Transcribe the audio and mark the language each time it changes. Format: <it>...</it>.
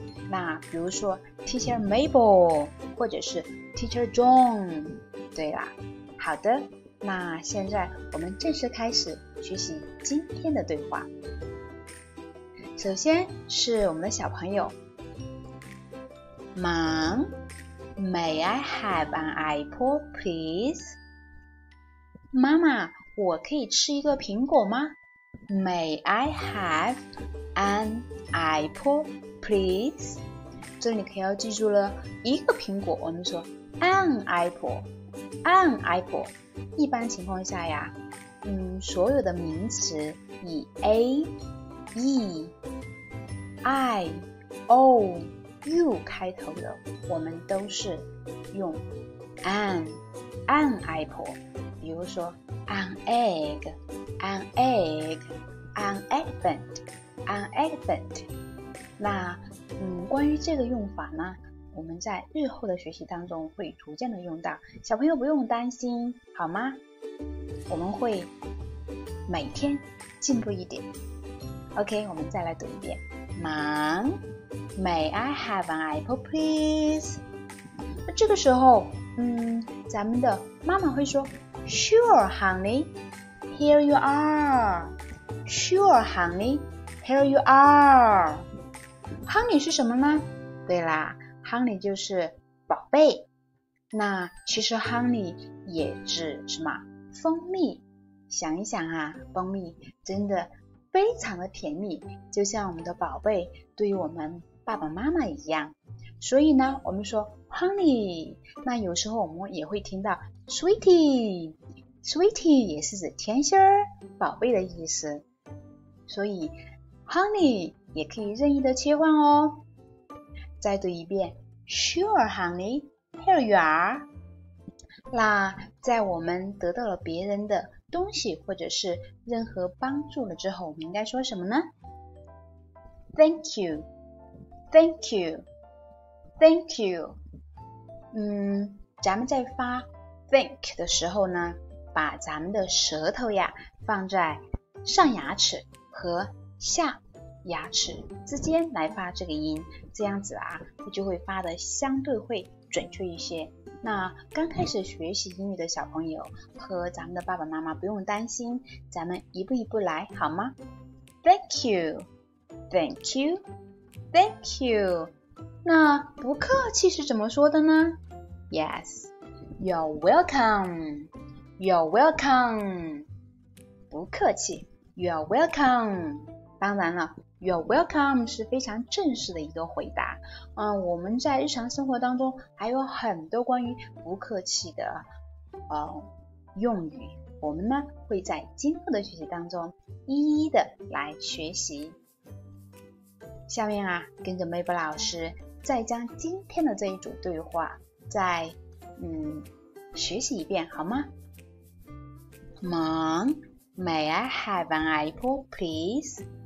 <zh>那比如说 teacher Mabel 或者是 teacher John。对啦，好的，那现在我们正式开始学习今天的对话。首先是我们的小朋友</zh> <en>Mom， May I have an apple please？</en> <zh>妈妈，我可以吃一个苹果吗？</zh> <en>May I have an apple please？</en> <zh>这里可要记住了，一个苹果我们说</zh> <en>an apple, an apple。</en> <zh>一般情况下呀，所有的名词以 a、e、i、o、u 开头的，我们都是用 an apple。比如说</zh> <en>an egg, an egg, an elephant, an elephant。</en> <zh>那关于这个用法呢，我们在日后的学习当中会逐渐的用到，小朋友不用担心好吗？我们会每天进步一点。 OK, 我们再来读一遍。</zh> <en>Mom, may I have an apple please?</en> <zh>这个时候咱们的妈妈会说</zh> <en>Sure honey, here you are. Sure honey, here you are. Honey</en> <zh>是什么呢？对啦，Honey 就是宝贝。那其实 Honey 也指什么？蜂蜜。想一想啊，蜂蜜真的非常的甜蜜，就像我们的宝贝对于我们爸爸妈妈一样。所以呢，我们说 Honey, 那有时候我们也会听到 Sweetie, Sweetie 也是指甜心儿、宝贝的意思。所以 Honey 也可以任意的切换哦。再读一遍</zh> <en>Sure honey, here you are.</en> <zh>那在我们得到了别人的东西或者是任何帮助了之后，我们应该说什么呢？</zh> <en>Thank you, thank you, thank you.</en> <zh>咱们在发 thank 的时候呢，把咱们的舌头呀放在上牙齿和下牙齿之间来发这个音，这样子啊就会发得相对会准确一些。那刚开始学习英语的小朋友和咱们的爸爸妈妈不用担心，咱们一步一步来好吗？</zh> <en>Thank you, thank you, thank you.</en> <zh>那不客气是怎么说的呢？</zh> <en>Yes, you're welcome, you're welcome.</en> <zh>不客气，</zh> <en>you're welcome.</en> <zh>当然了，You're welcome 是非常正式的一个回答。我们在日常生活当中还有很多关于不客气的用语，我们呢会在今后的学习当中一一的来学习。下面啊，跟着 Mabel 老师再将今天的这一组对话再学习一遍好吗？</zh> <en>Mom, may I have an apple please?</en>